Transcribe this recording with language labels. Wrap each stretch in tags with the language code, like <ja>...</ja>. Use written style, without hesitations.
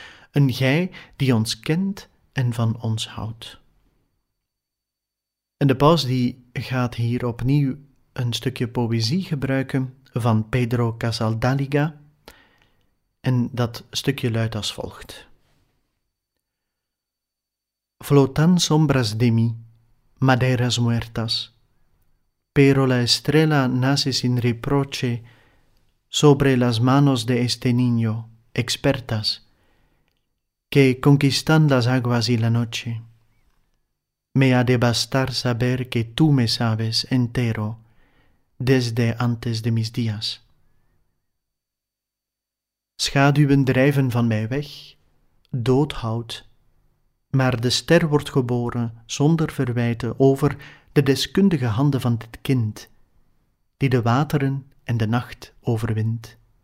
<nl>Een jij die ons kent en van ons houdt. En de paus die gaat hier opnieuw een stukje poëzie gebruiken van Pedro Casaldáliga. En dat stukje luidt als volgt.</nl> <es>Flotan sombras de mí, maderas muertas, pero la estrella nace sin reproche sobre las manos de este niño, expertas, que conquistan las aguas y la noche. Me ha de bastar saber que tú me sabes entero desde antes de mis días.</es> <nl>Schaduwen drijven van mij weg, doodhout, maar de ster wordt geboren zonder verwijten over de deskundige handen van dit kind, die de wateren en de nacht overwint.</nl>